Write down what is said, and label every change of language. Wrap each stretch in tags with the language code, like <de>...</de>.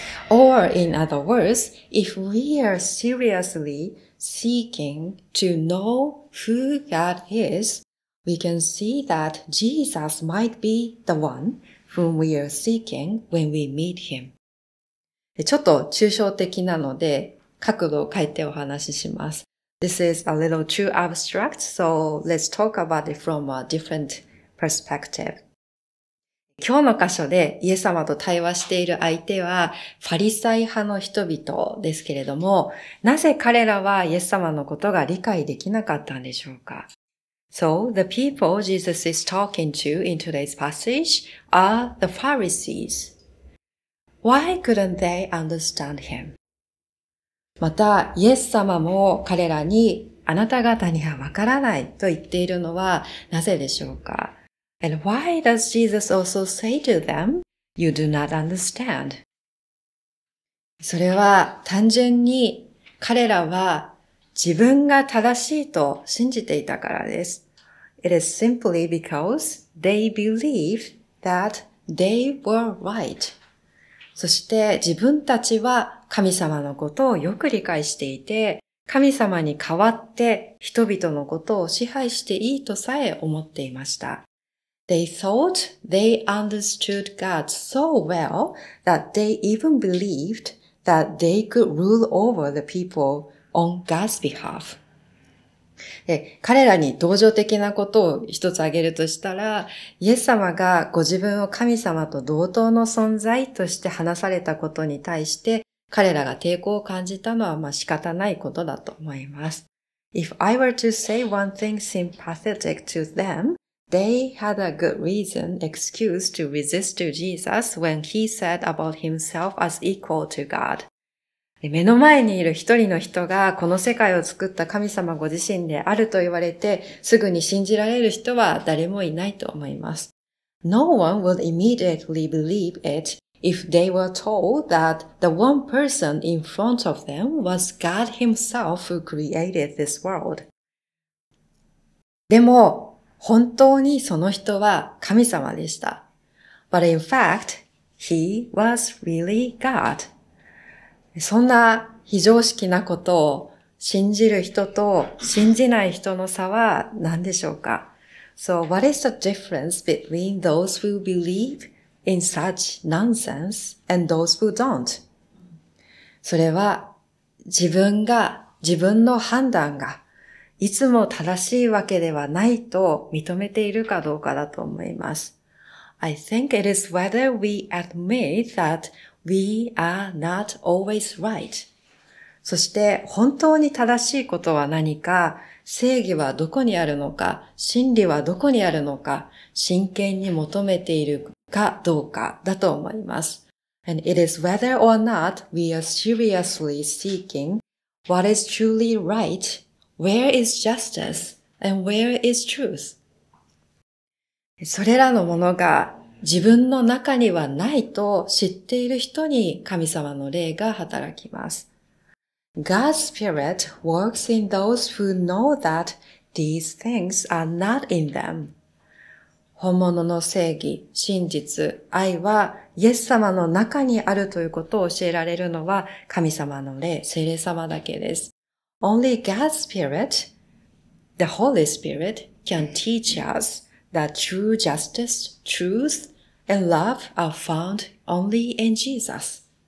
<en>Or in other words, if we are seriously seeking to know who God is, we can see that Jesus might be the one whom we are seeking when we meet him.</en> <ja>ちょっと抽象的なので角度を変えてお話しします。</ja> <en>This is a little too abstract, so let's talk about it from a different perspective.</en> <ja>今日の箇所でイエス様と対話している相手はファリサイ派の人々ですけれども、なぜ彼らはイエス様のことが理解できなかったんでしょうか?</ja> <en>So, the people Jesus is talking to in today's passage are the Pharisees. Why couldn't they understand him?</en> <ja>また、イエス様も彼らにあなた方にはわからないと言っているのはなぜでしょうか?</ja> <en>And why does Jesus also say to them, You do not understand?</en> <ja>それは単純に彼らは自分が正しいと信じていたからです。</ja> <en>It is simply because they believed that they were right.</en> <ja>そして自分たちは神様のことをよく理解していて、神様に代わって人々のことを支配していいとさえ思っていました。</ja> <en>They thought they understood God so well that they even believed that they could rule over the people on God's behalf.</en> <ja>彼らに同情的なことを一つ挙げるとしたら、イエス様がご自分を神様と同等の存在として話されたことに対して、彼らが抵抗を感じたのはまあ仕方ないことだと思います。</ja> <en>If I were to say one thing sympathetic to them, they had a good reason, excuse to resist to Jesus when he said about himself as equal to God.</en> <ja>目の前にいる一人の人がこの世界を作った神様ご自身であると言われて、すぐに信じられる人は誰もいないと思います。</ja> <en>No one would immediately believe it. If they were told that the one person in front of them was God himself who created this world.</en> <ja>でも、本当にその人は神様でした。</ja> <en>But in fact, he was really God.</en> <ja>そんな非常識なことを信じる人と信じない人の差は何でしょうか?</ja> <en>So what is the difference between those who believein such nonsense and those who don't.</en> <ja>それは自分が自分の判断がいつも正しいわけではないと認めているかどうかだと思います。</ja> <en>I think it is whether we admit that we are not always right.</en> <ja>そして本当に正しいことは何か、正義はどこにあるのか、真理はどこにあるのか、真剣に求めているかどうかだと思います。</ja> <en>And it is whether or not we are seriously seeking what is truly right, where is justice, and where is truth.</en> <ja>それらのものが自分の中にはないと知っている人に神様の霊が働きます。</ja> <en>God's spirit works in those who know that these things are not in them.</en> <ja>本物の正義、真実、愛はイエス様の中にあるということを教えられるのは神様の霊、聖霊様だけです。</ja> <en>Only God's spirit, the Holy Spirit, can teach us that true justice, truth, and love are found only in Jesus.</en>